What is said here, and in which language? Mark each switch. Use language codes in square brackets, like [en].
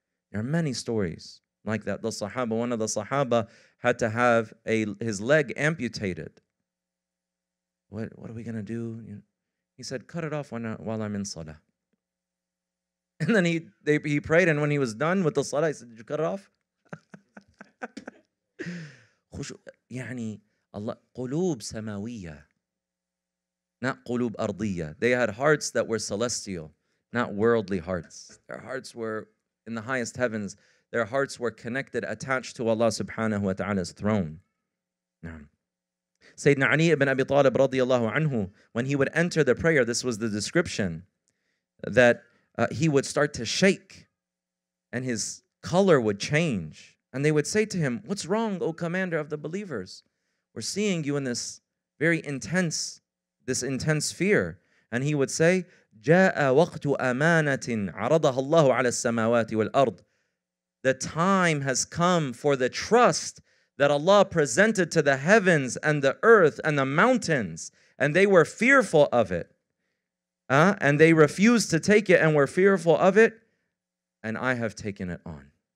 [en] There are many stories like that. The Sahaba, one of the Sahaba had to have his leg amputated. What are we going to do? He said, cut it off while I'm in salah. And then he prayed, and when he was done with the salah, he said, did you cut it off? [ar] خشوع يعني الله قلوب سماوية not قلوب أرضية. [en] They had hearts that were celestial, not worldly hearts. Their hearts were in the highest heavens. Their hearts were connected, attached to Allah subhanahu wa ta'ala's throne. [ar] نعم. [en] Sayyidina Ali ibn Abi Talib radiallahu anhu, when he would enter the prayer, this was the description, that he would start to shake and his color would change. And they would say to him, what's wrong, O commander of the believers? We're seeing you in this very intense fear. And he would say, [ar] جاء وقت أمانة عرضها الله على السماوات والأرض. [en] The time has come for the trust that Allah presented to the heavens and the earth and the mountains, and they were fearful of it. And they refused to take it and were fearful of it, and I have taken it on.